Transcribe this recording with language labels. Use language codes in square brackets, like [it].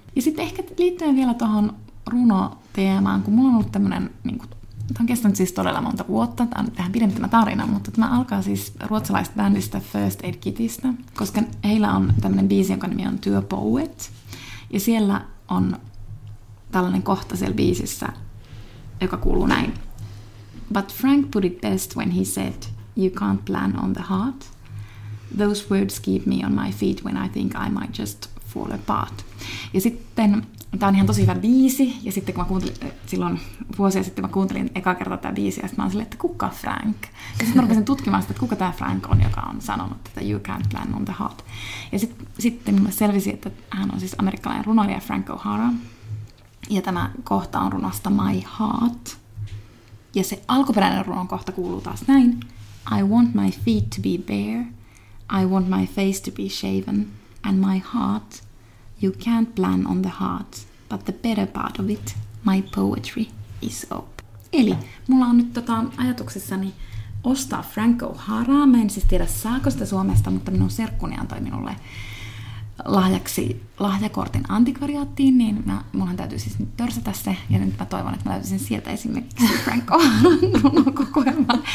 [fi] Ja sitten ehkä liittyen vielä tuohon runoteemaan, kun mulla on ollut tämmöinen, niin tämä on kestänyt siis todella monta vuotta, tämä on nyt vähän pidempi tämä tarina, mutta tämä alkaa siis ruotsalaisesta bändistä First Aid Kitistä, koska heillä on tämmöinen biisi, jonka nimi on Työ Poet, ja siellä on tällainen kohta siellä biisissä, joka kuuluu näin. [en] But Frank put it best when he said, you can't plan on the heart. Those words keep me on my feet when I think I might just fall apart. [fi] Ja sitten, tämä on ihan tosi hyvä biisi, ja sitten kun mä kuuntelin, silloin vuosia sitten mä kuuntelin eka kertaa tämä biisi, ja sitten mä oon silleen, että kuka Frank? Ja sitten mä rupesin tutkimaan sitä, että kuka tämä Frank on, joka on sanonut, että [en] you can't plan on the heart. [fi] Ja sitten mä selvisin, että hän on siis amerikkalainen runoilija Frank O'Hara, ja tämä kohta on runosta My Heart, Ja se alkuperäinen runon kohta kuuluu taas näin. [en] I want my feet to be bare. I want my face to be shaven. And my heart. You can't plan on the heart. But the better part of it, my poetry, is open. [fi] Eli mulla on nyt ajatuksissani ostaa Frank O'Haraa. Mä en siis tiedä saako sitä Suomesta, mutta minun serkkuni antoi minulle lahjaksi lahjakortin antikvariaattiin, niin minunhan täytyy siis nyt törsätä se, ja nyt mä toivon, että mä löytäisin sieltä esimerkiksi Frank O'Haran kokoelman.